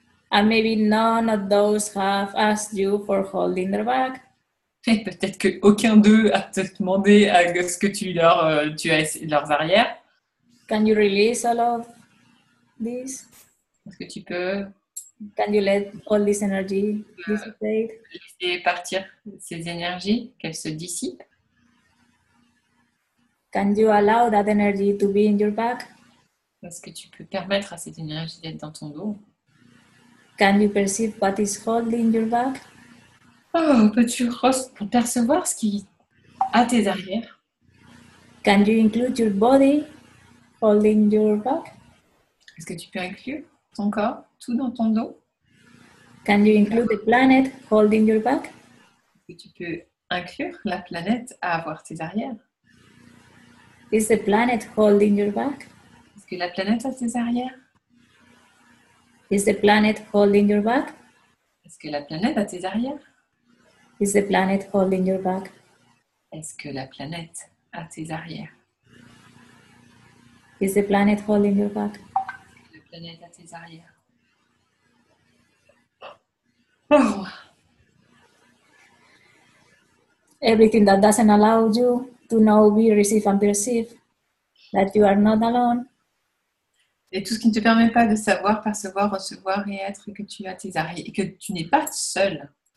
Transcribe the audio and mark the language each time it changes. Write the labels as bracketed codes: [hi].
[en] And maybe none of those have asked you for holding their back. [fr] Et peut-être que aucun d'eux a te demandé à ce que tu as leurs arrières. [en] Can you release all of this? [fr] Est-ce que tu peux... [en] Can you let all this energy dissipate? [fr] Laisser partir ces énergies, qu'elles se dissipent. [en] Can you allow that energy to be in your back? [fr] Est-ce que tu peux permettre à cette énergie d'être dans ton dos? [en] Can you perceive what is holding your back? [fr] Oh, peux-tu percevoir ce qui a tes arrières? [en] Can you include your body holding your back? [fr] Est-ce que tu peux inclure ton corps, tout dans ton dos? [en] Can you include the planet holding your back? [fr] Est-ce que tu peux inclure la planète à avoir tes arrières? [en] Is the planet holding your back? [fr] Est-ce que la planète a tes arrières? [en] Is the planet holding your back? [fr] Est-ce que la planète a tes arrières? [en] Is the planet holding your back? [fr] Est-ce que la planète a tes arrières? [en] Is the planet holding your back? [fr] La planète a tes arrières. Oh. [en] Everything that doesn't allow you to know, be, receive and perceive that you are not alone. [fr] Et tout ce qui ne te permet pas de savoir, percevoir, recevoir et être que tu as tes arrières et que tu n'es pas seul.